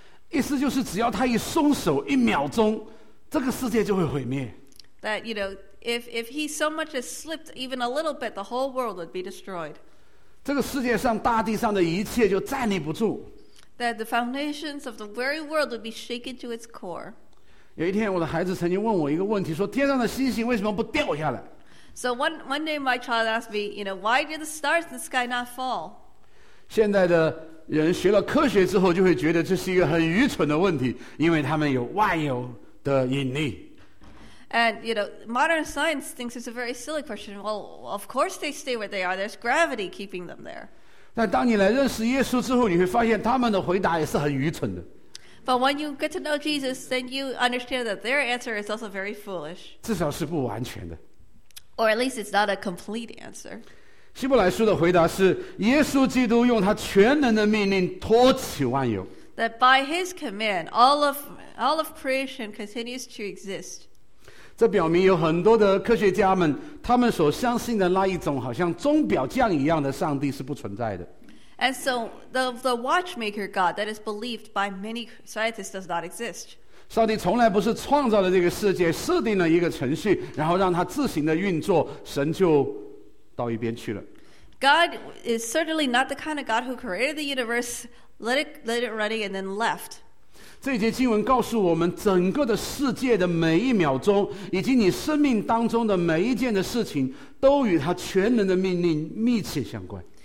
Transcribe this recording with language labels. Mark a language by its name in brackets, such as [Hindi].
[Chinese] 意思就是只要他一松手一秒钟，这个世界就会毁灭。 [English] That you know, if he so much as slipped even a little bit, the whole world would be destroyed. [Chinese] 这个世界上大地上的一切就站立不住。 [English] That the foundations of the very world would be shaken to its core. [Chinese] 有一天我的孩子曾经问我一个问题，说天上的星星为什么不掉下来。 [English] So one day my child asked me, you know, why did the stars in the sky not fall? [Chinese] 现在的人学了科学之后就会觉得这是一个很愚蠢的问题，因为他们有万有的引力。 [English] And, you know, modern science thinks it's a very silly question. Well, of course they stay where they are. There's gravity keeping them there. [Chinese] 但当你来认识耶稣之后，你会发现他们的回答也是很愚蠢的。 [English] But when you get to know Jesus, then you understand that their answer is also very foolish. [Chinese] 至少是不完全的。 [English] Or at least it's not a complete answer. [Chinese] 希伯来书的回答是耶稣基督用他全能的命令托起万有。 [English] That by his command, all of creation continues to exist. [Chinese] 这表明有很多的科学家们，他们所相信的那一种好像钟表匠一样的上帝是不存在的。 [English] And so the watchmaker God that is believed by many scientists does not exist. [Chinese] 上帝从来不是创造了这个世界，设定了一个程序，然后让它自行的运作，神就到一边去了。 [English] God is certainly not the kind of God who created the universe. Let it running and then left. [Chinese] 这节经文告诉我们，整个的世界的每一秒钟，以及你生命当中的每一件的事情，都与他全能的命令密切相关。